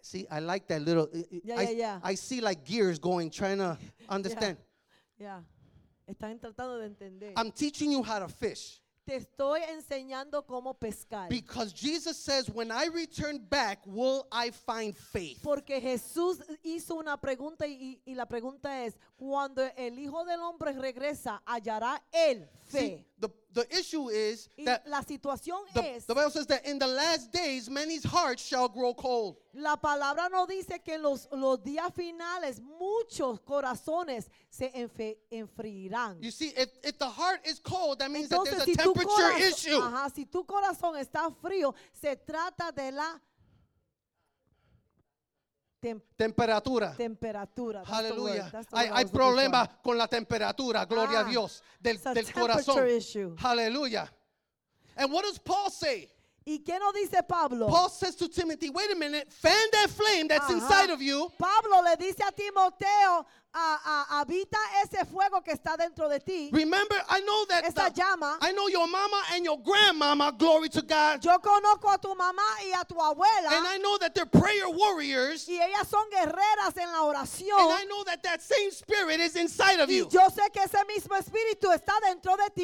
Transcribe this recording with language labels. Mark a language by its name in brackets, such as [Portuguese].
[English] I like that little. Yeah. I see like gears going, trying to understand. [Spanish] Yeah. Están tratando de entender. [English] I'm teaching you how to fish. [Spanish] Te estoy enseñando cómo pescar. [English] Because Jesus says, when I return back, will I find faith? [Spanish] Porque Jesús hizo una pregunta y la pregunta es, cuando el Hijo del Hombre regresa, ¿hallará él fe? [English] See, the, The issue is that [Spanish] la situación [English] the, [Spanish] es, [English] the Bible says that in the last days many's hearts shall grow cold. [Spanish] La palabra no dice que en los días finales muchos corazones se enfriarán. [English] You see, if the heart is cold, that means entonces, that there's a temperature issue. [Spanish] Ajá, si tu corazón está frío, se trata de la temperatura. Temperatura. Hallelujah. Hay problema con la temperatura, gloria a Dios, del corazón. [English] Issue. Hallelujah. And what does Paul say? [Spanish] ¿Y qué no dice Pablo? [English] Paul says to Timothy, wait a minute, fan that flame that's inside of you. [Spanish] Pablo le dice a Timoteo, habita ese fuego que está dentro de ti. [English] Remember, I know that [Spanish] esa llama. [English] I know your mama and your grandmama, glory to God. [Spanish] Yo conozco a tu mamá y a tu abuela. [English] And I know that they're prayer warriors. [Spanish] Y ellas son guerreras en la oración. [English] And I know that that same spirit is inside of you. [Spanish] Y yo sé que ese mismo espíritu está dentro de ti.